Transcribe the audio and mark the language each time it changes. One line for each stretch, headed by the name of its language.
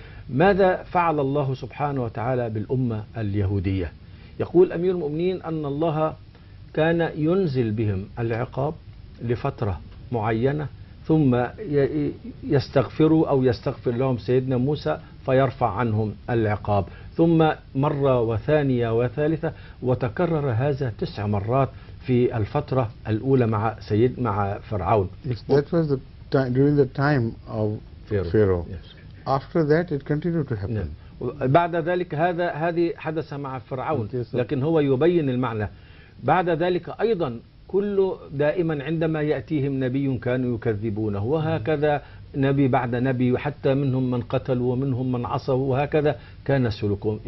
Arabic: ماذا فعل الله سبحانه وتعالى بالأمة اليهودية؟ يقول أمير المؤمنين أن الله كان ينزل بهم العقاب لفترة معينة ثم يستغفروا أو يستغفر لهم سيدنا موسى فيرفع عنهم العقاب، ثم مرة وثانية وثالثة، وتكرر هذا 9 مرات في الفترة الأولى مع سيد مع فرعون.
English: That was the time, during the time of Pharaoh. Yes. After that it continued to happen.
Arabic: بعد ذلك هذه حدث مع فرعون، لكن هو يبين المعنى. بعد ذلك أيضا كل دائما عندما يأتيهم نبي كانوا يكذبونه، وهكذا نبي بعد نبي، وحتى منهم من قتل ومنهم من عصوا، وهكذا كان سلوكهم.